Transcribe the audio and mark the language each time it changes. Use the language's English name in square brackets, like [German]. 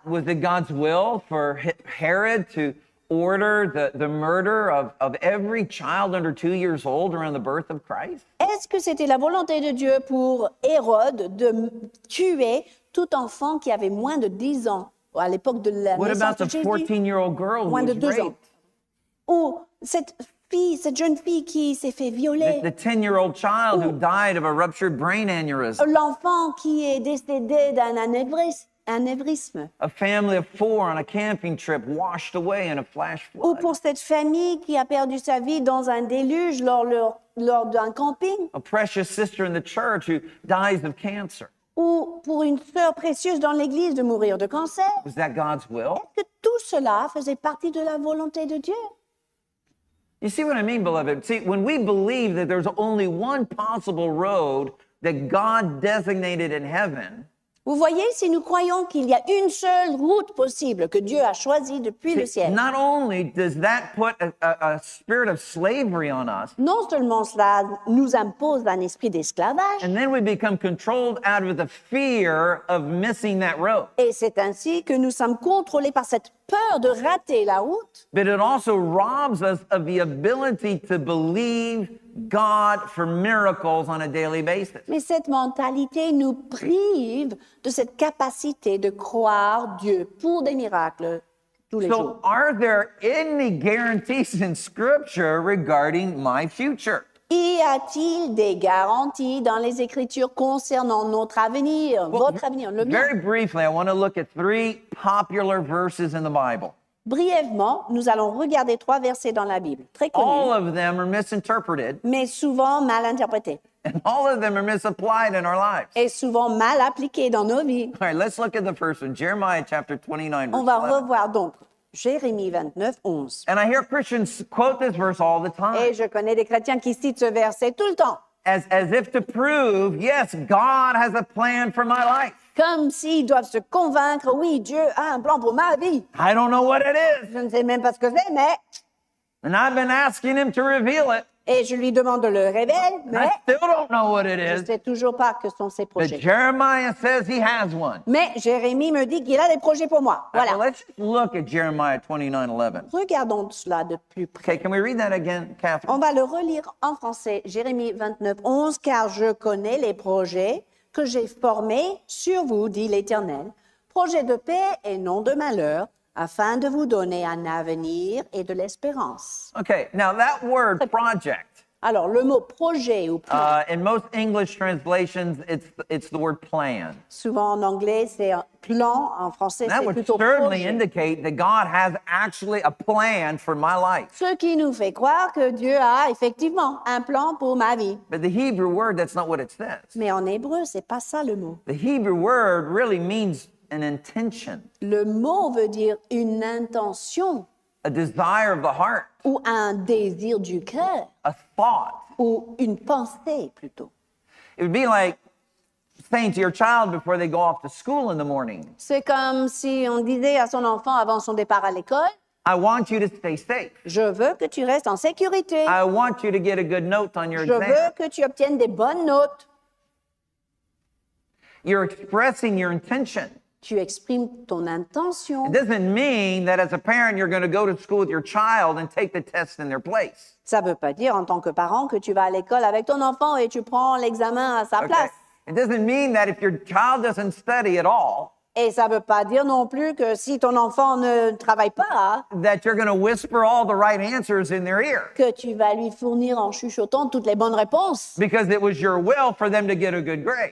[English] Was it God's will for Herod to order the murder of every child under 2 years old around the birth of Christ? [French] Est-ce que c'était la volonté de Dieu pour Hérode de tuer tout enfant qui avait moins de 10 ans? À l'époque de la [English] what about the 14-year-old girl who was raped? [French] Ou cette fille, cette jeune fille qui s'est fait violer? [English] The 10-year-old child who died of a ruptured brain aneurysm? [French] L'enfant qui est décédé d'un anévrisme? [English] A family of four on a camping trip washed away in a flash flood? [French] Ou pour cette famille qui a perdu sa vie dans un déluge lors d'un camping? [English] A precious sister in the church who dies of cancer? [French] Ou pour une sœur précieuse dans l'église de mourir de cancer? [English] Was that God's will? [French] Est-ce que tout cela faisait partie de la volonté de Dieu? [English] You see what I mean, beloved? See, when we believe that there's only one possible road that God designated in heaven, [French] vous voyez, si nous croyons qu'il y a une seule route possible que Dieu a choisie depuis le ciel, [English] not only does that put a spirit of slavery on us, [French] non seulement cela nous impose un esprit d'esclavage, [English] and then we become controlled out of the fear of missing that road. [French] Et c'est ainsi que nous sommes contrôlés par cette peur de rater la route. [English] But it also robs us of the ability to believe God for miracles on a daily basis. [French] Mais cette mentalité nous prive de cette capacité de croire Dieu pour des miracles tous les [English] so [French] jours. [English] So are there any guarantees in Scripture regarding my future? [French] Y a-t-il des garanties dans les Écritures concernant notre avenir, [English] well, [French] votre avenir, le mien? [English] Very briefly, I want to look at 3 popular verses in the Bible. [French] Brièvement, nous allons regarder 3 versets dans la Bible, très connus. [English] All of them are misinterpreted. [French] Mais souvent mal interprétés. [English] And all of them are misapplied in our lives. [French] Et souvent mal appliqués dans nos vies. [English] All right, let's look at the first one, Jeremiah chapter 29, verse [French] on va [English] 11. [French] Revoir donc Jérémie 29, 11. [English] And I hear Christians quote this verse all the time. [French] Et je connais des chrétiens qui citent ce verset tout le temps. [English] As if to prove, yes, God has a plan for my life. [French] Comme s'ils doivent se convaincre, oui, Dieu a un plan pour ma vie. [English] I don't know what it is. [French] Je ne sais même pas ce que c'est, mais... [English] And I've been asking him to reveal it. [French] Et je lui demande de le révéler, mais [English] I still don't know what it is. [French] Je sais toujours pas que sont ses projets. [English] But Jeremiah says he has one. [French] Mais Jérémie me dit qu'il a des projets pour moi. Voilà. [English] Now, let's look at Jeremiah 29:11. [French] Regardons cela de plus près. [English] Okay, can we read that again, Catherine? [French] On va le relire en français, Jérémie 29:11, car je connais les projets que j'ai formés sur vous, dit l'Éternel. Projets de paix et non de malheur. Afin de vous donner un avenir et de l'espérance. [English] Okay, now that word project. [French] Alors le mot projet ou plan. [English] In most English translations, it's the word plan. [French] Souvent en anglais c'est plan, en français [English] that [French] c'est plutôt projet. [English] That would certainly indicate that God has actually a plan for my life. [French] Ce qui nous fait croire que Dieu a effectivement un plan pour ma vie. [English] But the Hebrew word, that's not what it says. [French] Mais en hébreu c'est pas ça le mot. [English] The Hebrew word really means an intention. [French] Le mot veut dire une intention. [English] A desire of the heart. [French] Ou un désir du cœur. [English] A thought. [French] Ou une pensée plutôt. [English] It would be like saying to your child before they go off to school in the morning. [French] C'est comme si on disait à son enfant avant son départ à l'école. [English] I want you to stay safe. [French] Je veux que tu restes en sécurité. [English] I want you to get a good note on your [French] Je [English] exam. [French] Je veux que tu obtiennes des bonnes notes. [English] You're expressing your intention. [French] Tu exprimes ton intention. [English] It doesn't mean that as a parent you're going to go to school with your child and take the test in their place. [French] Ça veut pas dire en tant que parent que tu vas à l'école avec ton enfant et tu prends l'examen à sa place. [English] It doesn't mean that if your child doesn't study at all. [French] Et ça veut pas dire non plus que si ton enfant ne travaille pas. [English] That you're going to whisper all the right answers in their ear. [French] Que tu vas lui fournir en chuchotant toutes les bonnes réponses. [English] Because it was your will for them to get a good grade.